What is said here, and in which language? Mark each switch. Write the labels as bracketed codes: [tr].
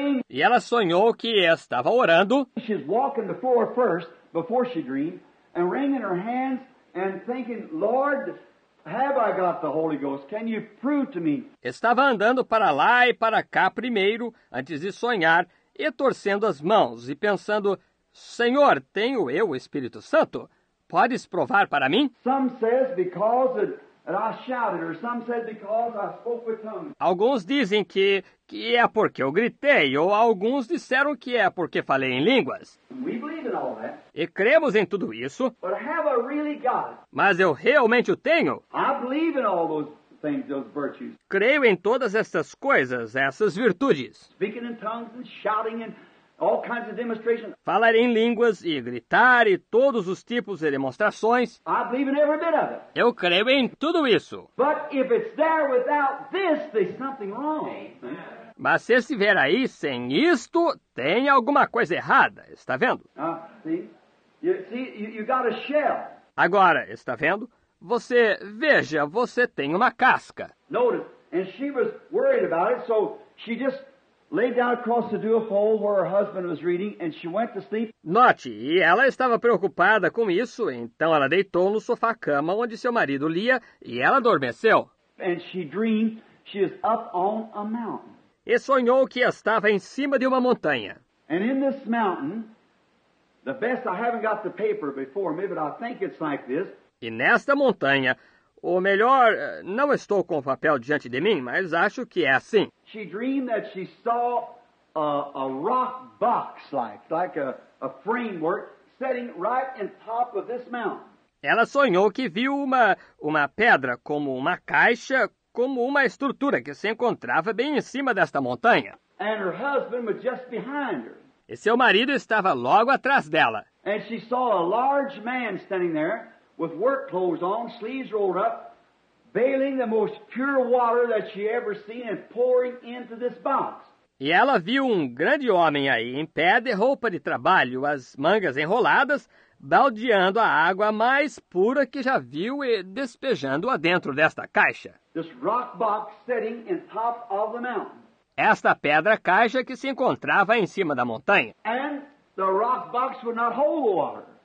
[pt] E ela sonhou que estava orando. [en] She's walking the floor first, before she dreamed, and wringing her hands and thinking, Lord, have I got the Holy Ghost? Can you prove to me? [pt] Estava andando para lá e para cá primeiro, antes de sonhar, e torcendo as mãos e pensando, Senhor, tenho eu o Espírito Santo? Podes provar para mim? [en] Some says because that I shouted, or some said because I spoke with tongues. [pt] Alguns dizem que é porque eu gritei, ou alguns disseram que é porque falei em línguas. [en] We believe in all that. [pt] E cremos em tudo isso. [en] But have I really got it? [pt] Mas eu realmente o tenho? [en] I believe in all those things, those virtues. [pt] Creio em todas essas coisas, essas virtudes. [en] Speaking in tongues and shouting and all kinds of demonstrations. [pt] Falar em línguas e gritar e todos os tipos de demonstrações. [en] I believe in every bit of it. [pt] Eu creio em tudo isso. [en] But if it's there without this, there's something wrong. [pt] Mas se estiver aí sem isto, tem alguma coisa errada. Está vendo? [en] See, you got a shell. [pt] Agora, está vendo? Você, veja, você tem uma casca. [en] Notice, and she was worried about it, so she just laid down across the duopo where her husband was reading, and she went to sleep. [pt] Note, e ela estava preocupada com isso, então ela deitou no sofá-cama onde seu marido lia, e ela adormeceu. [en] And she dreamed she is up on a mountain. [pt] E sonhou que estava em cima de uma montanha. [en] And in this mountain, the best I haven't got the paper before me, but I think it's like this. [pt] E nesta montanha, ou melhor, não estou com o papel diante de mim, mas acho que é assim. [en] She dreamed that she saw a rock box like a framework setting right in top of this mountain. [pt] Ela sonhou que viu uma pedra como uma caixa, como uma estrutura que se encontrava bem em cima desta montanha. [en] And her husband was just behind her. [pt] E seu marido estava logo atrás dela. [en] And she saw a large man standing there with work clothes on, sleeves rolled up, bailing the most pure water that she ever seen and pouring into this box. [pt] E ela viu um grande homem aí, em pé, de roupa de trabalho, as mangas enroladas, baldeando a água mais pura que já viu e despejando-a dentro desta caixa. [en] This rock box sitting in top of the mountain. [pt] Esta pedra caixa que se encontrava em cima da montanha. [en] And the rock box would not hold the water.